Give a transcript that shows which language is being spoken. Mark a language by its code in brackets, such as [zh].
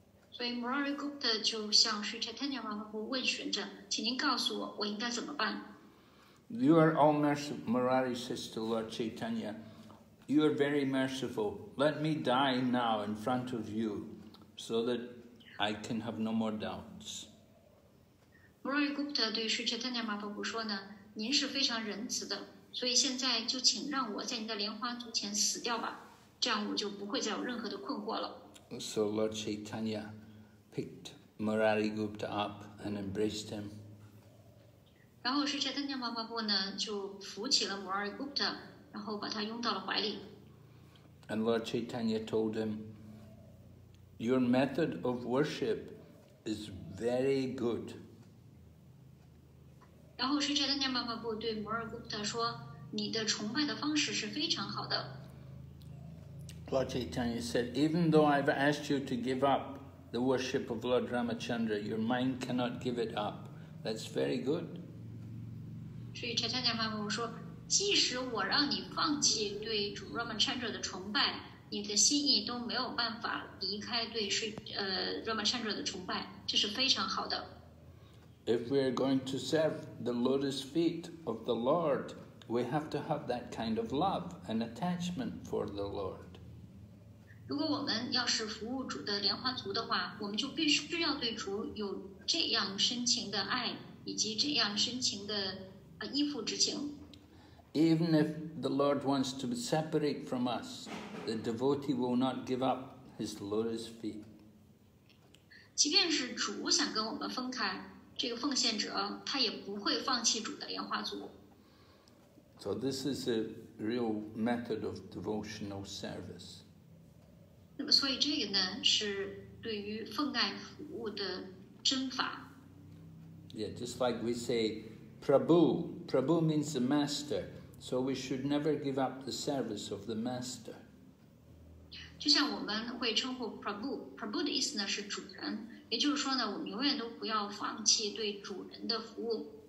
[zh] So Murari Gupta 就向 Sri Chaitanya Mahaprabhu 问询着，请您告诉我，我应该怎么办？ [en] "You are all merciful," Murari says to Lord Chaitanya. "You are very merciful. Let me die now in front of you, so that I can have no more doubts." [zh] Murari Gupta 对 Sri Chaitanya Mahaprabhu 说呢，您是非常仁慈的。所以现在就请让我在你的莲花足前死掉吧，这样我就不会再有任何的困惑了。 [en] So Lord Chaitanya picked Murari Gupta up and embraced him. [zh] 然后 Sri Chaitanya Mahaprabhu 呢就扶起了 Murari Gupta， 然后把他拥到了怀里。 [en] And Lord Chaitanya told him, "Your method of worship is very good." [zh] 然后 Sri Chaitanya Mahaprabhu 对 Murari Gupta 说，你的崇拜的方式是非常好的。 [en] Lord Chaitanya said, "Even though I've asked you to give up the worship of Lord Ramachandra, your mind cannot give it up. That's very good." [zh] 所以 Chaitanya Mahaprabhu 说，即使我让你放弃对主 Ramachandra 的崇拜，你的心意都没有办法离开对 Ramachandra 的崇拜，这是非常好的。 [en] If we are going to serve the lotus feet of the Lord, we have to have that kind of love and attachment for the Lord. [zh] 如果我们要是服务主的莲花足的话，我们就必须要对主有这样深情的爱，以及这样深情的依附之情。 [en] Even if the Lord wants to separate from us, the devotee will not give up his lotus feet. [zh] 即便是主想跟我们分开。这个奉献者他也不会放弃主的莲花足。 [en] So this is a real method of devotional service. [zh] 那么所以这个呢是对于奉爱服务的真法。 [en] Yeah, just like we say Prabhu. Prabhu means the master. So we should never give up the service of the master. [zh] 就像我们会称呼 Prabhu 的意思呢是主人，也就是说呢，我们永远都不要放弃对主人的服务。